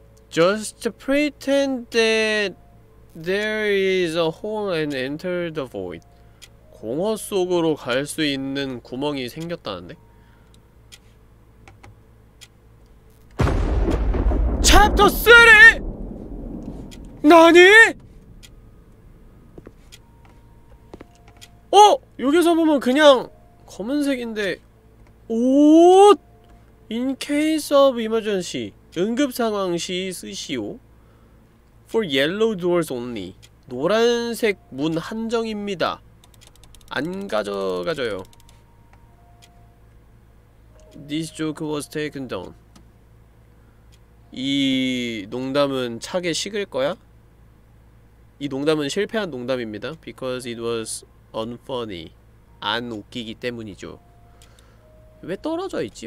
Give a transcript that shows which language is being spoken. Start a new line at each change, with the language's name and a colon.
English: Just pretend that there is a hole and enter the void.
Korean: 공허 속으로 갈 수 있는 구멍이 생겼다는데?
English: Chapter 3!
Korean: 나니? 어! 여기서 보면 그냥 검은색인데 옷!
English: In case of emergency
Korean: 응급상황시 쓰시오
English: For yellow doors only
Korean: 노란색 문 한정입니다 안 가져가줘요
English: This joke was taken down
Korean: 이 농담은 차게 식을 거야? 이 농담은 실패한 농담입니다
English: Because it was unfunny
Korean: 안 웃기기 때문이죠 왜 떨어져 있지?